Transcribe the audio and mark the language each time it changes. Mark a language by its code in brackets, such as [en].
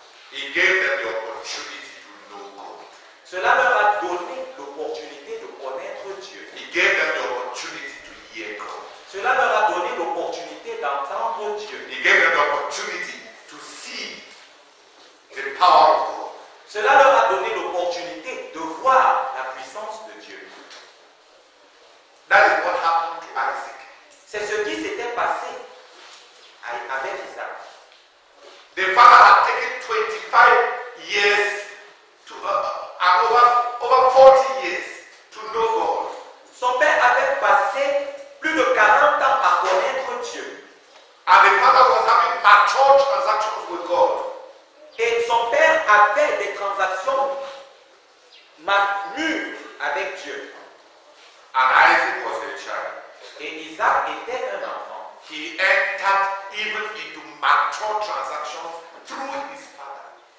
[en] He gave them the opportunity to know God. [fr] Cela leur a donné l'opportunité de connaître Dieu. [en] He gave them the opportunity to hear God. [fr] Cela leur a donné l'opportunité d'entendre Dieu. [en] He gave them the opportunity to see the power of God. [fr] Cela leur a donné l'opportunité de voir la puissance de Dieu. [en] That is what happened to Isaac. [fr] C'est ce qui s'était passé avec Isaac. [en] The father had taken 25 years to over 40 years to know God. [fr] Son père avait passé plus de 40 ans à connaître Dieu. [en] And the father was having mature transactions with God. [fr] Et son père avait des transactions matures avec Dieu. [en] And Isaac was a child. [fr] Et Isaac était un enfant. [en] He entered even into mature transactions through his father.